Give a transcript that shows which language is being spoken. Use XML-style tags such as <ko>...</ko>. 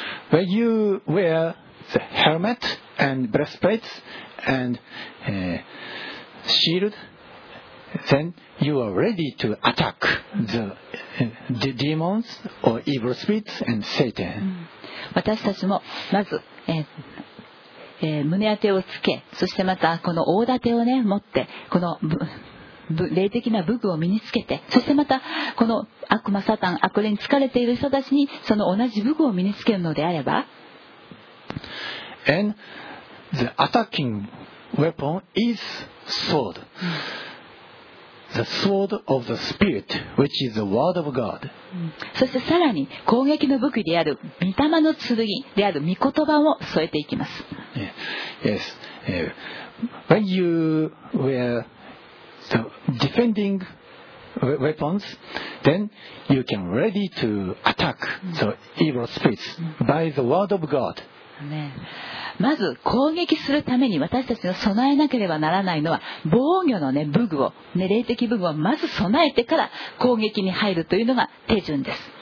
<en>When you wear the helmet and breastplates and shield, then you are ready to attack the demons or evil spirits and Satan.</en> <ja>私たちもまず、胸当てをつけ、そしてまたこの大盾をね持って、この霊的な武具を身につけて、そしてまたこの悪魔サタン、悪霊に疲れている人たちにその同じ武具を身につけるのであれば、</ja> <en>And the attacking weapon is sword. The sword of the spirit, which is the word of God.</en> <ja>そしてさらに攻撃の武器である御霊の剣である御言葉を添えていきます。</ja> <en>Yes. When you wear the defending weapons, then you can ready to attack the evil spirits by the word of God.</en> <ja>ね、まず攻撃するために私たちが備えなければならないのは防御の、ね、武具を、ね、霊的武具をまず備えてから攻撃に入るというのが手順です。</ja>